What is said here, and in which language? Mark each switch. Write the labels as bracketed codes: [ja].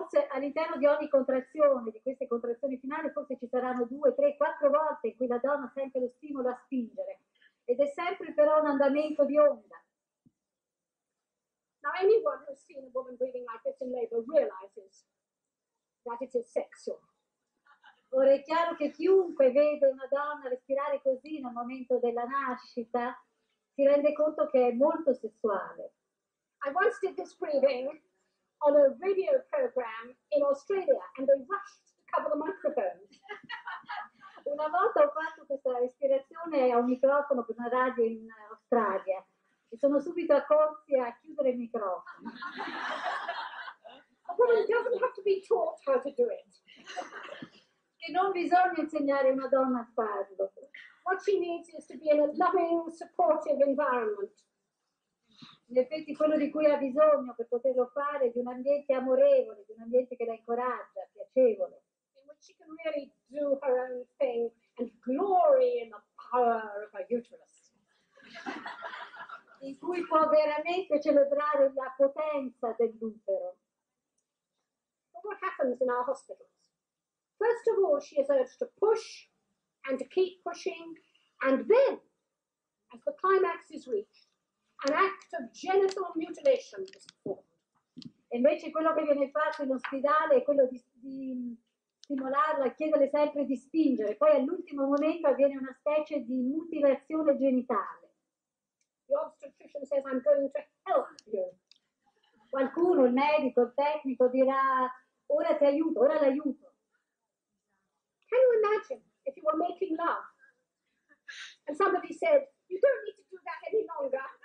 [it] All'interno di ogni contrazione, di queste contrazioni finali, forse ci saranno due, tre, quattro volte in cui la donna sente lo stimolo a spingere. Ed è sempre però un andamento di onda. [en] Now anyone who's seen a woman breathing like this in labor realizes that it is sexual. [it] Ora è chiaro che chiunque vede una donna respirare così nel momento della nascita si rende conto che è molto sessuale. [en] I once did this breathing on a radio program in Australia, and they rushed to cover the microphone. [it] Una volta ho fatto questa respirazione a un microfono per una radio in Australia, e sono subito accorsi a chiudere il microfono. [en] A woman doesn't have to be taught how to do it. [it] Che non bisogna insegnare una donna a farlo. [en] What she needs is to be in a loving, supportive environment. [it] In effetti quello di cui ha bisogno per poterlo fare è di un ambiente amorevole, di un ambiente che la incoraggia, piacevole. [en] In which she can really do her own thing and glory in the power of her uterus. [it] In cui può veramente celebrare la potenza dell'utero. [en] But what happens in our hospitals? First of all, she is urged to push and to keep pushing, and then, as the climax is reached, an act of genital mutilation is performed. [it] E invece quello che viene fatto in ospedale è quello di stimolarla, chiederle sempre di spingere. Poi all'ultimo momento avviene una specie di mutilazione genitale. [en] The obstetrician says, I'm going to help you. [it] Qualcuno, il medico, il tecnico dirà, ora ti aiuto, ora l'aiuto. [en] Can you imagine if you were making love and somebody said, you don't need to do that any longer?